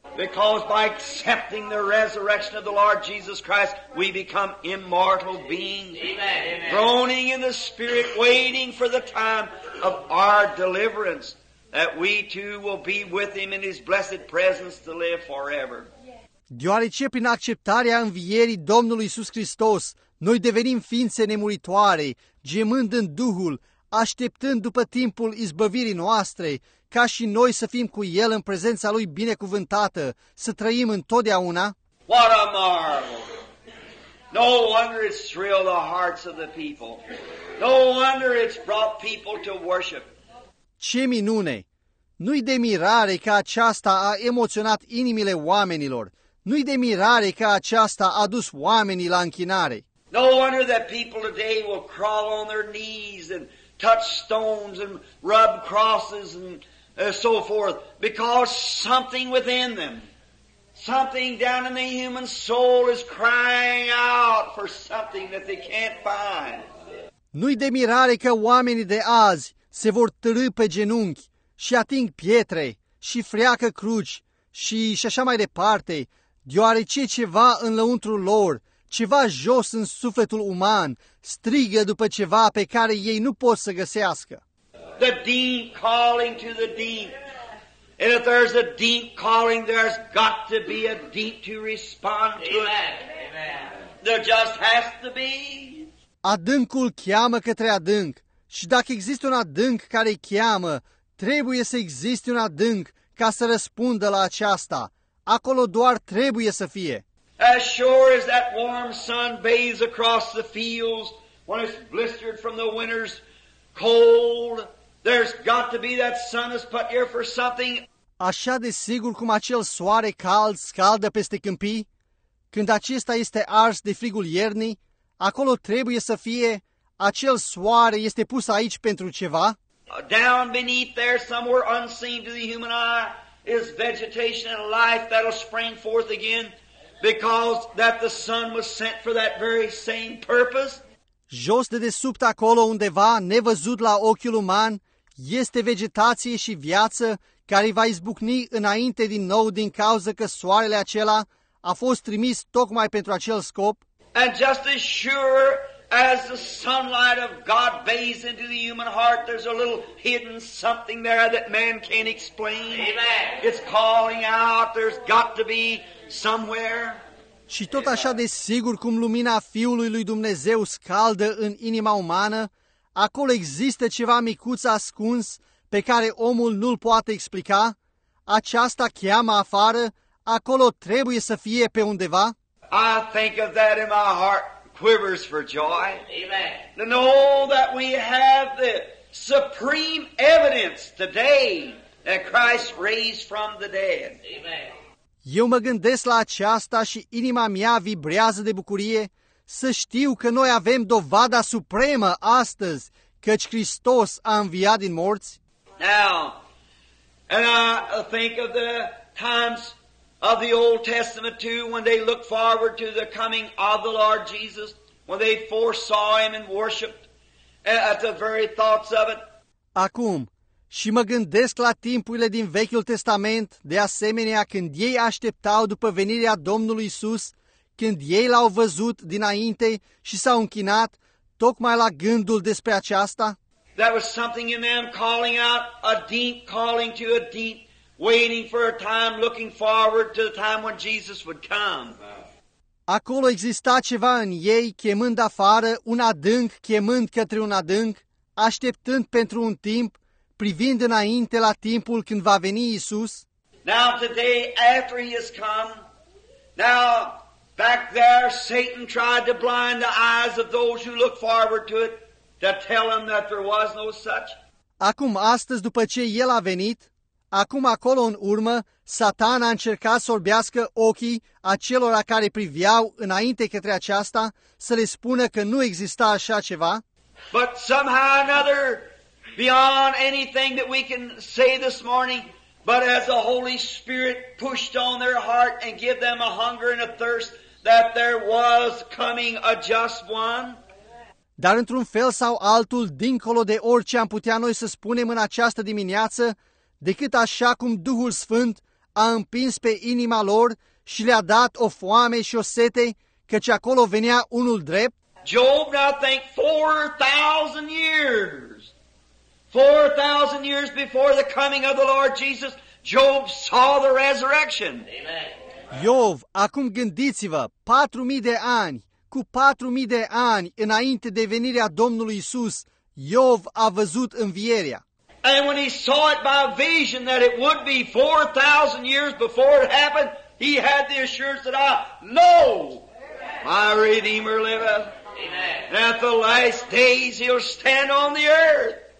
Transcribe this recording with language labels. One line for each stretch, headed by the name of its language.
English: Because by accepting the resurrection of the Lord Jesus Christ, we become immortal beings. Amen. Groaning in the spirit, waiting for the time of our deliverance. That we too will be with him in his blessed presence to live forever.
Romanian: Deoarece prin acceptarea învierii Domnului Iisus Hristos, noi devenim ființe nemuritoare, gemând în Duhul, așteptând după timpul izbăvirii noastre, ca și noi să fim cu el în prezența lui binecuvântată, să trăim întotdeauna.
English: What a marvel! No wonder it's thrilled the hearts of the people. No wonder it's brought people to worship.
Romanian: Ce minune! Nu-i de mirare că aceasta a emoționat inimile oamenilor. Nu-i de mirare că aceasta a dus oamenii la închinare.
English: No wonder that people today will crawl on their knees and touch stones and rub crosses and so forth, because something within them, something down in the human soul is crying out for something that they can't find.
Romanian: Nu-i de mirare că oamenii de azi se vor târî pe genunchi și ating pietre și freacă cruci și așa mai departe, deoarece ceva în lăuntru lor, ceva jos în sufletul uman, strigă după ceva pe care ei nu pot să găsească.
English: The deep calling to the deep. And if there's a deep calling, there's got to be a deep to respond to it. Amen. There just has to be.
Romanian: Adâncul cheamă către adânc. Și dacă există un adânc care cheamă, trebuie să existe un adânc ca să răspundă la aceasta. Acolo doar trebuie să fie.
English: As sure as that warm sun bathes across the fields when it's blistered from the winter's cold, there's got to be that sun that's put here for something.
Romanian: Așa de sigur cum acel soare cald scaldă peste câmpii, când acesta este ars de frigul iernii, acolo trebuie să fie. Acel soare este pus aici pentru ceva?
English: Down beneath there, somewhere unseen to the human eye, is vegetation and life that'll spring forth again, because that the sun was sent for that very same purpose.
Romanian: Jos de desubt acolo undeva, nevăzut la ochiul uman, este vegetație și viață care va izbucni înainte din nou din cauza că soarele acela a fost trimis tocmai pentru acel scop.
English: And just as sure as the sunlight of God bathes into the human heart, there's a little hidden something there that man can't explain. Amen. It's calling out, there's got to be somewhere.
Romanian: Și tot așa de sigur cum lumina Fiului lui Dumnezeu scaldă în inima umană, acolo există ceva micuț ascuns pe care omul nu-l poate explica. Aceasta cheamă afară, acolo trebuie să fie pe undeva.
English: I think of that in my heart. Quivers for joy. Amen. To know that we have the supreme evidence today that Christ raised from the dead. Amen.
Romanian: Eu mă gândesc la aceasta și inima mea vibrează de bucurie Să știu că noi avem dovada supremă astăzi, căci Hristos a înviat din morți.
English: Now, and I think of the times of the Old Testament too, when they looked forward to the coming of the Lord Jesus, when they foresaw him and worshipped at the very thoughts of it.
Romanian: Acum, și mă gândesc la timpurile din Vechiul Testament, de asemenea când ei așteptau după venirea Domnului Isus, când ei l-au văzut dinainte și s-au închinat, tocmai la gândul despre aceasta.
English: That was something in them calling out, a deep calling to a deep, waiting for a time, looking forward to the time when Jesus would come.
Romanian: Acolo exista ceva în ei, chemând afară, un adânc, chemând către un adânc, așteptând pentru un timp, privind înainte la timpul când va veni Iisus.
English: Now today, after he has come, now back there, Satan tried to blind the eyes of those who looked forward to it, to tell them that there was no such.
Romanian: Acum, astăzi, după ce el a venit, acum, acolo în urmă, Satan a încercat să orbească ochii acelora care priveau înainte către aceasta, să le spună că nu exista așa ceva.
English: But somehow another, beyond anything that we can say this morning, but as the Holy Spirit pushed on their heart and gave them a hunger and a thirst, that there was coming a just one.
Romanian: Dar într-un fel sau altul, dincolo de orice am putea noi să spunem în această dimineață, decât așa cum Duhul Sfânt a împins pe inima lor și le-a dat o foame și o sete, căci acolo venea unul drept.
English: Job, I think, 4,000 years. 4,000 years before the coming of the Lord Jesus, Job saw the resurrection. Amen.
Romanian: Iov, acum gândiți-vă, 4,000 de ani. Cu 4,000 de ani înainte de venirea Domnului Iisus, Iov a văzut învierea.
English: And when he saw it by vision that it would be 4,000 years before it happened, he had the assurance that I know my Redeemer liveth. At the last days he'll stand on the earth.